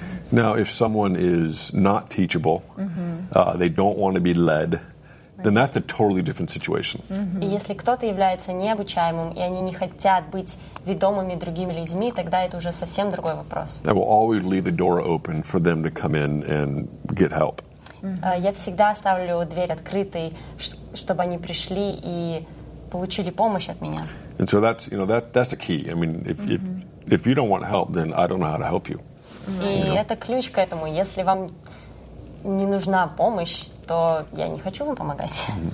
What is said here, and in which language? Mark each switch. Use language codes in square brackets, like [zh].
[en] Now, if someone is not teachable, they don't want to be led, then that's a totally different situation. [ru] И если кто-то является необучаемым, и они не хотят быть ведомыми другими людьми, тогда это уже совсем другой вопрос. [en] I will always leave the door open for them to come in and get help. [ru] Я всегда оставлю дверь открытой, чтобы они пришли и получили помощь от меня. [en] And so that's, you know, that's a key. I mean, if you don't want help, then I don't know how to help you. [ru] И это ключ к этому. Если вам не нужна помощь, то я не хочу вам помогать.